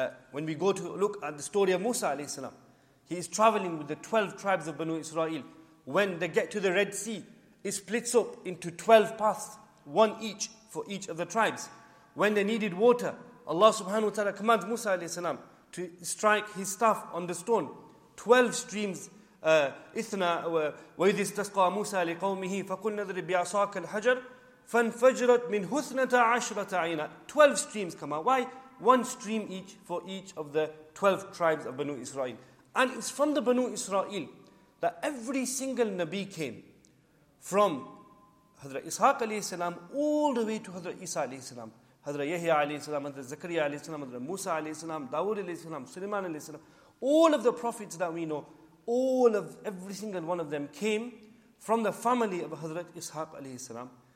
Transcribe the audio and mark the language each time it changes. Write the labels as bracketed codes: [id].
[en] When we go to look at the story of Musa alayhi salam, he is traveling with the 12 tribes of Banu Israel. When they get to the Red Sea, it splits up into 12 paths, one each for each of the tribes. When they needed water, Allah subhanahu wa ta'ala commands Musa alayhi salam to strike his staff on the stone. 12 streams, [ar] ithna وَإِذِ اسْتَسْقَى مُوسَى لِقَوْمِهِ فَقُلْنَا اضْرِبْ بِعَصَاكَ الْحَجَرَ فَانْفَجَرَتْ مِنْهُ اثْنَتَا عَشْرَةَ عَيْنًا. [en] 12 streams come out. Why? One stream each for each of the 12 tribes of Banu Israel. And it's from the Banu Israel that every single Nabi came, from Hazrat Ishaq alayhi salam all the way to Hazrat Isa alayhi salam, Hazrat Yahya alayhi salam, Hazrat Zakariya alayhi salam, Hazrat Musa alayhi salam, Dawood alayhi salam, Sulaiman alayhi salam, all of the prophets that we know, all of every single one of them came from the family of Hazrat Ishaq alayhi salam.